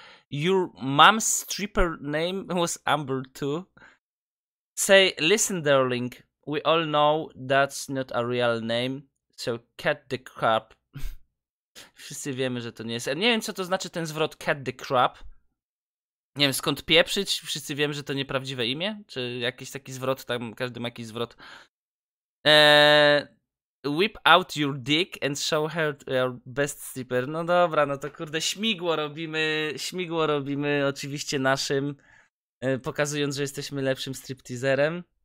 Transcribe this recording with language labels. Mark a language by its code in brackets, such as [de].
[en] Your mom's stripper name was Amber too. Say, listen, darling. We all know that's not a real name, so cat the crap. [pl] Wszyscy wiemy, że to nie jest. Nie wiem, co to znaczy ten zwrot [en] cat the crap. [pl] Nie wiem, skąd pieprzyć. Wszyscy wiemy, że to nieprawdziwe imię. Czy jakiś taki zwrot, tam każdy ma jakiś zwrot. [en] Whip out your dick and show her your best stripper. [pl] No dobra, no to kurde, śmigło robimy oczywiście naszym, pokazując, że jesteśmy lepszym stripteaserem.